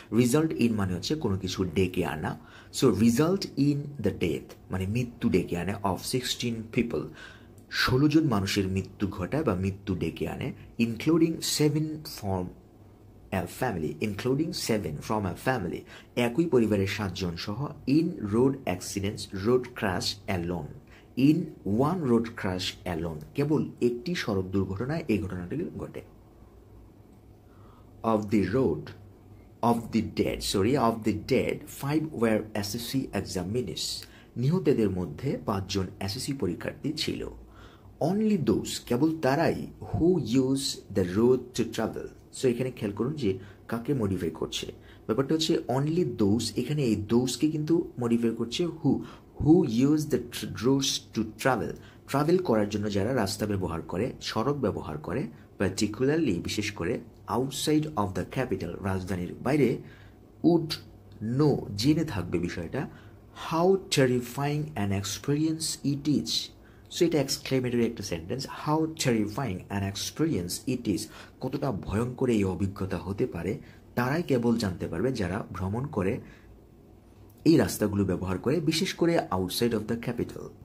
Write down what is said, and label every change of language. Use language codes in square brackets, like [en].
[bn] Result in মানে হচ্ছে কোনো কিছু ডেকে আনা। [en] so result in the death [bn] মানে মৃত্যু ডেকে আনে, [en] of 16 people, [bn] 16 জন মানুষের মৃত্যু ঘটায় বা মৃত্যু ডেকে আনে, [en] including 7 from a family, [bn] including 7 from a family, একই পরিবারের 7 জন সহ, [en] in road accidents, road crash alone, [bn] in one road crash alone, কেবল একটি সড়ক দুর্ঘটনায় এই ঘটনাটি ঘটে। [en] Of the road, of the dead, sorry, of the dead, 5 were SSC examinees. [bn] নিহতদের মধ্যে 5 জন SSC পরীক্ষার্থী ছিল। [en] Only those, [bn] কেবল তারাই, [en] who use the road to travel. [bn] So, এখানে খেয়াল করুন যে কাকে মডিফাই করছে। ব্যাপারটা হচ্ছে [en] only those, [bn] এখানে এই those কে কিন্তু মডিফাই করছে [en] who use the roads to travel. [bn] Travel করার জন্য যারা রাস্তা ব্যবহার করে, সড়ক ব্যবহার করে, পার্টিকুলারলি বিশেষ করে [en] outside of the capital, [bn] রাজধানীর বাইরে, [en] would know, [bn] জেনে থাকবে বিষয়টা, [en] How terrifying an experience it is. [bn] So এটা এক্সক্লেমেটরি একটা sentence, [en] how terrifying an experience it is, [bn] কতটা ভয়ঙ্কর এই অভিজ্ঞতা হতে পারে তারাই কেবল জানতে পারবে যারা ভ্রমণ করে এই রাস্তাগুলো ব্যবহার করে, বিশেষ করে [en] Outside of the capital.